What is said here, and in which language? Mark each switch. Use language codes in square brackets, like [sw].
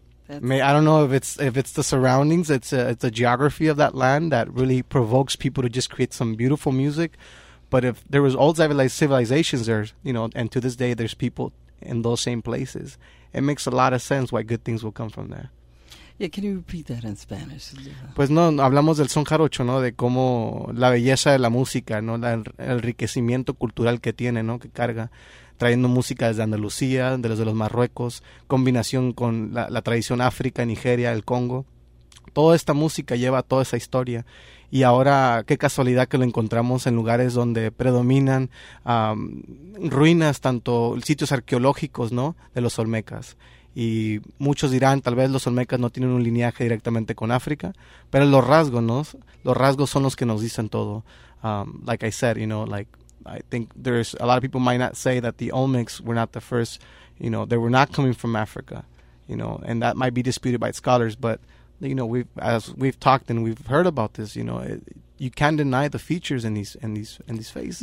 [en] I don't know if it's the surroundings, it's a geography of that land that really provokes people to just create some beautiful music. But if there was old civilizations there, you know, and to this day there's people in those same places, it makes a lot of sense why good things will come from there. Yeah, can you repeat that in Spanish? [es] Pues no, hablamos del Son Jarocho, ¿no? De cómo la belleza de la música, ¿no? El enriquecimiento cultural que tiene, ¿no? Que carga, trayendo música desde Andalucía, de los Marruecos, combinación con la tradición África, Nigeria, el Congo. Toda esta música lleva toda esa historia. Y ahora, qué casualidad que lo encontramos en lugares donde predominan ruinas, tanto sitios arqueológicos, ¿no?, de los Olmecas. Y muchos dirán, tal vez los Olmecas no tienen un linaje directamente con África, pero los rasgos, ¿no?, los rasgos son los que nos dicen todo. [en] Like I said, you know, like, I think there's a lot of people might not say that the Olmecs were not the first, you know, they were not coming from Africa. you know, and that might be disputed by scholars, but, you know, as we've talked and we've heard about this, you know, you can't deny the features in these faces.